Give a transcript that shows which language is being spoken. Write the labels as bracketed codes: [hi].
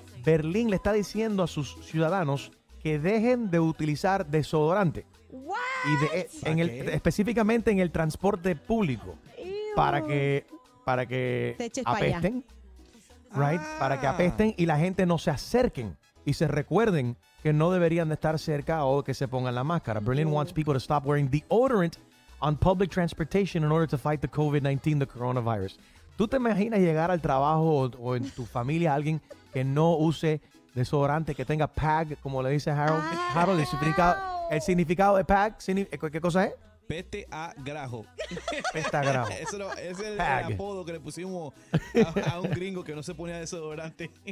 [es] Berlín le está diciendo a sus ciudadanos que dejen de utilizar desodorante. [en] ¿What? [es] Y específicamente en el transporte público. Ew. para que apesten, right? Para que apesten y la gente no se acerquen y se recuerden que no deberían de estar cerca o que se pongan la máscara. [en] Berlin wants people to stop wearing deodorant on public transportation in order to fight the COVID-19, the coronavirus. [es] ¿Tú te imaginas llegar al trabajo o en tu familia alguien que no use desodorante, que tenga pag, como le dice Harold? Harold, el significado de pag, ¿qué cosa es? Peste a grajo. Peste a grajo. Es el apodo que le pusimos a un gringo que no se ponía desodorante.